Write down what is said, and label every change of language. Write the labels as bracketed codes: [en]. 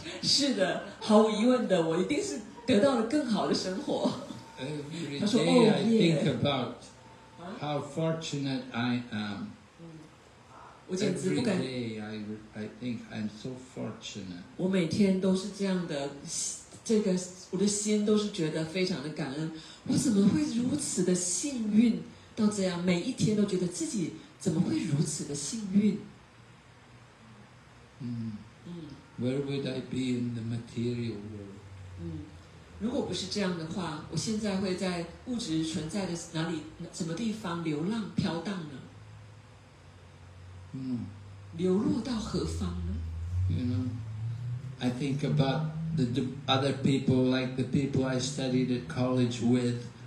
[zh] 是的，毫无疑问的，我一定是得到了更好的生活。 [en] Every day I think about how fortunate I am. Every day I think I'm so fortunate. [zh] 我每天都是这样的，这个我的心都是觉得非常的感恩。我怎么会如此的幸运到这样？每一天都觉得自己。怎么会如此的幸运？ [en] Where would I be in the material world? [zh] 如果不是这样的话，我现在会在物质存在的哪里、什么地方流浪飘荡呢？流落到何方呢？ [en] You know, I think about the other people, like the people I studied at college with.